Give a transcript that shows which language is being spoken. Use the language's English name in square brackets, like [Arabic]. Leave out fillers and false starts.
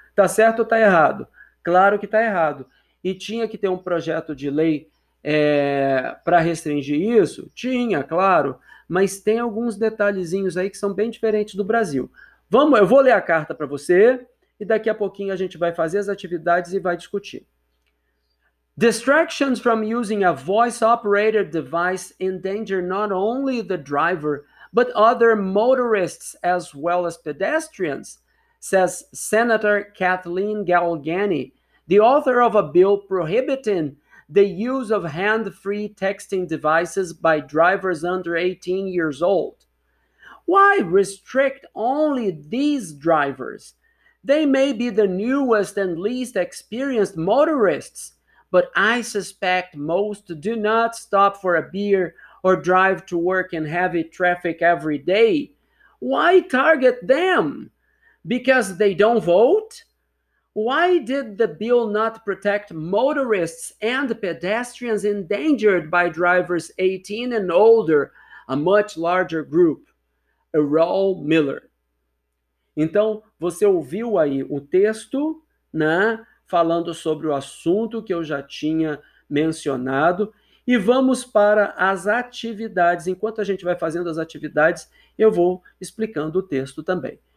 [Portuguese] Está certo ou está errado? Claro que está errado. E tinha que ter um projeto de lei para restringir isso? Tinha, claro. Mas tem alguns detalhezinhos aí que são bem diferentes do Brasil. Vamos, eu vou ler a carta para você. E daqui a pouquinho a gente vai fazer as atividades e vai discutir. [English] Distractions from using a voice-operated device endanger not only the driver, but other motorists as well as pedestrians, says Senator Kathleen Galgani, the author of a bill prohibiting the use of hand-free texting devices by drivers under 18 years old. Why restrict only these drivers? They may be the newest and least experienced motorists, but I suspect most do not stop for a beer or drive to work in heavy traffic every day. Why target them? Because they don't vote? Why did the bill not protect motorists and pedestrians endangered by drivers 18 and older, a much larger group? Errol Miller. [Portuguese] Então, você ouviu aí o texto, né, falando sobre o assunto que eu já tinha mencionado. E vamos para as atividades. Enquanto a gente vai fazendo as atividades, eu vou explicando o texto também.